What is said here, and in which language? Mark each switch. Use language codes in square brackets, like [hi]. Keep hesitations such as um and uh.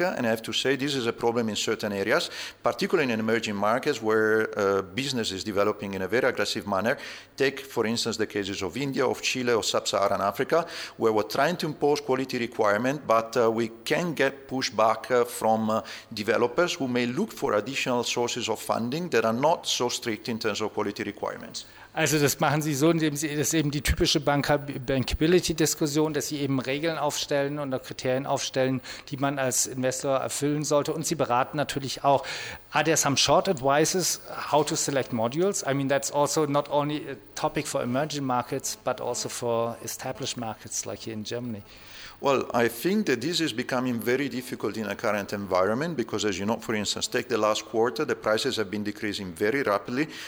[en] And I have to say, this is a problem in certain areas, particularly in emerging markets where business is developing in a very aggressive manner. Take, for instance, the cases of India, of Chile, of sub-Saharan Africa, where we're trying to impose quality requirement, but we can get pushback from uh, developers who may look for additional sources of funding that are not so strict in terms of quality requirements. [de] Also das machen Sie so, indem Sie, das ist eben die typische Bankability-Diskussion, dass Sie eben Regeln aufstellen und Kriterien aufstellen, die man als Investor erfüllen sollte. Und Sie beraten natürlich auch. [en] Are there some short advices how to select modules? I mean, that's also not only a topic for emerging markets, but also for established markets like here in Germany. Well, I think that this is becoming very difficult in the current environment because, as you know, for instance, take the last quarter, the prices have been decreasing very rapidly.